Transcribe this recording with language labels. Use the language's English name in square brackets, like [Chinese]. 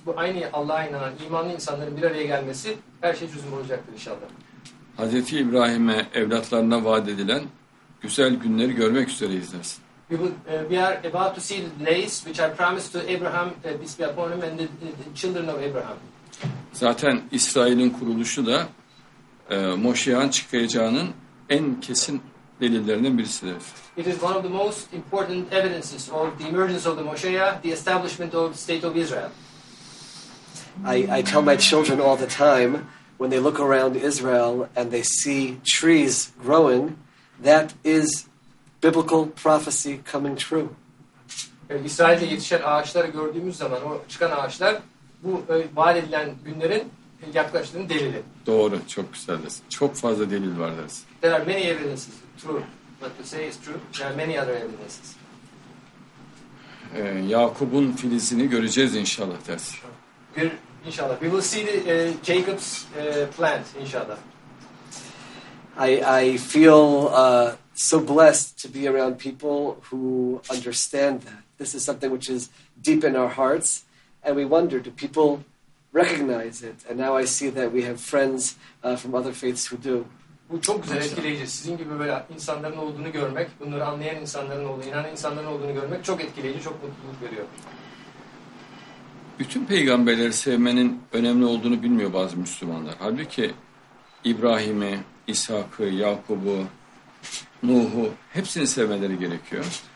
[Turkish] Bu aynı Allah'a inanan, imanlı insanların bir araya gelmesi her şey çözüm olacaktır inşallah. Hazreti İbrahim'e evlatlarına vaat edilen güzel günleri görmek üzereyiz dersin. [English] We are about to see the days which are promised to Abraham, peace be upon him, and the children of Abraham. [Turkish] Zaten İsrail'in kuruluşu da Moşe'nin çıkacağının en kesin delillerinden birisidir. [English] It is one of the most important evidences of the emergence of the Moşe'ah, the establishment of the state of Israel. I tell my children all the time, when they look around Israel and they see trees growing, that is biblical prophecy coming true. [Turkish] İsrail'de yetişen ağaçları gördüğümüz zaman, o çıkan ağaçlar, bu vaat edilen günlerin yaklaştığını delili. Doğru, çok güzeldir. Çok fazla delil var deriz. [English] There are many evidences, true. What you say is true. There are many other evidences. [Turkish] Yakub'un filizini göreceğiz inşallah deriz. [English] İnşallah. We will see the, Jacob's plant, inşallah. I feel so blessed to be around people who understand that. This is something which is deep in our hearts, and we wonder, do people recognize it? And now I see that we have friends from other faiths who do. [Turkish] Bu çok güzel, etkileyici. Sizin gibi böyle insanların olduğunu görmek, bunları anlayan insanların olduğunu, inanan insanların olduğunu görmek çok etkileyici, çok mutluluk veriyor. Bütün peygamberleri sevmenin önemli olduğunu bilmiyor bazı Müslümanlar. Halbuki İbrahim'i, İshak'ı, Yakub'u, Nuh'u, hepsini sevmeleri gerekiyor.